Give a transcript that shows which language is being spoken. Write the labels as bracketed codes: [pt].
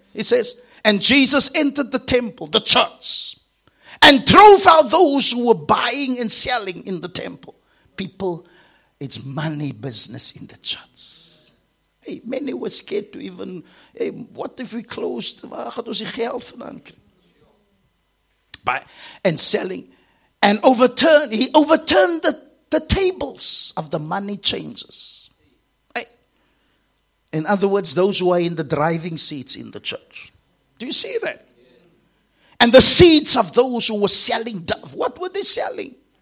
[en] He says, and Jesus entered the temple, the church, and drove out those who were buying and selling in the temple. People, it's money business in the church. Hey, many were scared to even, hey, what if we closed? [af] Waar gaat ons die geld vandaan krijgen? [en] And selling. And he overturned the tables of the money changers. Hey. In other words, those who are in the driving seats in the church. Do you see that? And the seats of those who were selling doves. What were they selling?